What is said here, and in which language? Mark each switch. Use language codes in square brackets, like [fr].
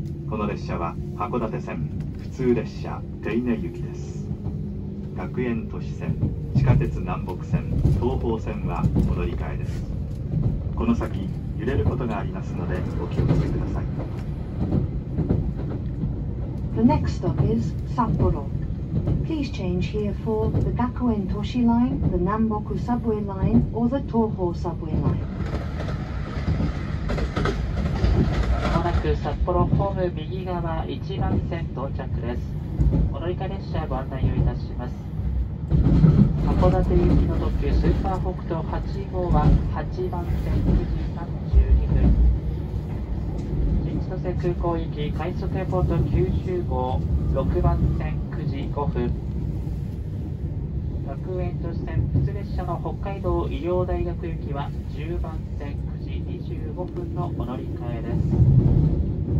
[ja] この列車は函館線普通列車手稲行きです。学園都市線、地下鉄南北線、東方線は戻り替えです。この先揺れることがありますのでお気をつけください。 [en] The next stop is Sapporo. Please change here for the 学園都市 line, the 南北 subway line, or the 東方 subway line. [ja] 札幌ホーム右側1番線到着です。お乗り換え列車ご案内をいたします。函館行きの特急スーパー北斗8号は8番線9時32分、新千歳空港行き快速エポート90号6番線9時5分、学園都市線普通列車の北海道医療大学行きは10番線9時25分のお乗り換えです。